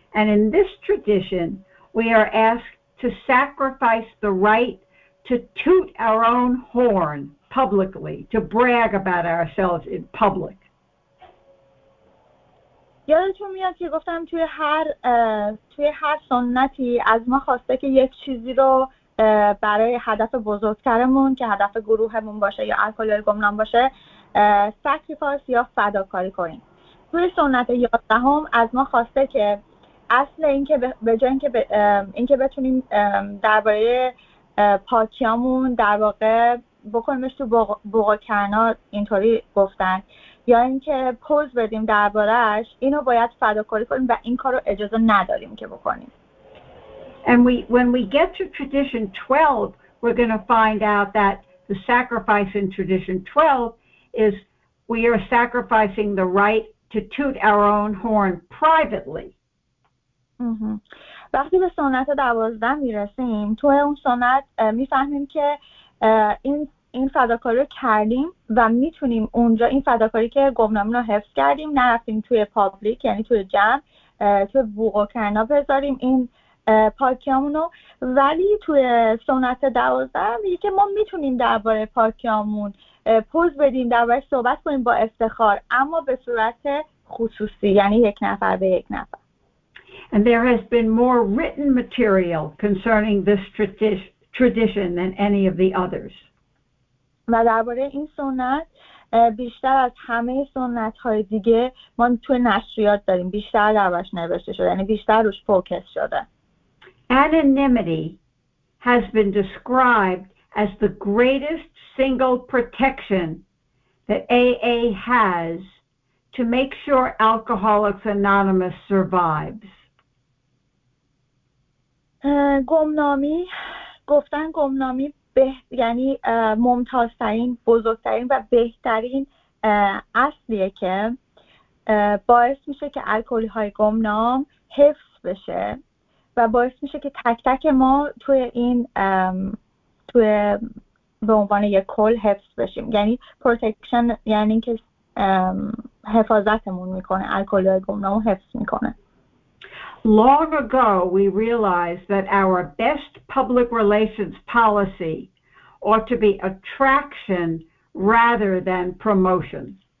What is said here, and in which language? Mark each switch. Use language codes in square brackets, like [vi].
[en] And in this tradition, we are asked to sacrifice the right to toot our own horn publicly, to brag about ourselves in public. [fa] یادتون میاد که گفتم توی هر سنتی از ما خواسته که یک چیزی رو برای هدف بزرگترمون که هدف گروهمون باشه یا الکل یا گمنام باشه سکریفاس یا فداکاری کنیم. توی سنت 11 هم از ما خواسته که اصل این که به جای این که بتونیم درباره پاکیامون در واقع بکنیمش تو بوق کنا اینطوری گفتن، یا اینکه پوز بدیم دربارش، اینو باید فداکاری کنیم و این کارو اجازه نداریم که بکنیم. [en] And when we get to tradition 12, we're going to find out that the sacrifice in tradition 12 is we are sacrificing the right to toot our own horn privately. [fa] وقتی به سنت 12 میرسیم، تو اون سنت میفهمیم که این فداکاری رو کردیم و میتونیم اونجا این فداکاری که گمنامی رو حفظ کردیم نرفتیم توی پابلیک، یعنی توی جمع، توی بوق و کنا بذاریم این پاکیامونو. ولی توی سنت 12 میگه که ما میتونیم درباره پاکیامون پوز بدیم، درباره صحبت کنیم با افتخار، اما به صورت خصوصی، یعنی یک نفر به یک نفر. [en] And there has been more written material concerning this tradition than any of the others. [fa] و درباره این سنت بیشتر از همه سنت‌های دیگه ما توی نشریات داریم، بیشتر دربارش نوشته شده، یعنی بیشتر روش فوکس شده. [en] Anonymity has been described as the greatest single protection that AA has to make sure Alcoholics Anonymous survives. [fa] گمنامی یعنی ممتازترین، بزرگترین و بهترین اصلیه که باعث میشه که الکلی های گمنام حفظ بشه و باعث میشه که تک تک ما توی این توی به عنوان یک کل حفظ بشیم، یعنی پروتکشن، یعنی که حفاظتمون میکنه، الکلی های گمنام حفظ میکنه. [en] Long ago, we realized that our best public relations policy ought to be attraction rather than promotion.